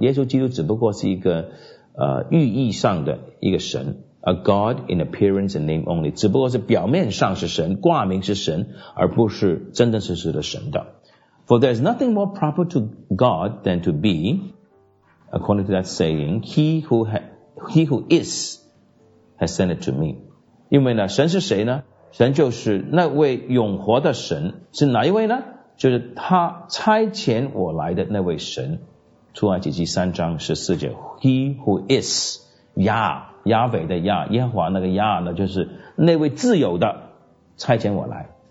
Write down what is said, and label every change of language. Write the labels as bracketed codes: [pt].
[zh] 耶稣基督只不过是一个寓意上的一个神 ， [en] a God in appearance and name only. [zh] 只不过是表面上是神，挂名是神，而不是真真实实的神的。 [en] For there is nothing more proper to God than to be, according to that saying, He who is has sent it to me. [zh] 因为呢，神是谁呢？神就是那位永活的神，是哪一位呢？就是他差遣我来的那位神，出埃及记三章十四节 ， [en] He who is [zh] 亚伟的亚，耶和华那个亚呢，就是那位自由的差遣我来。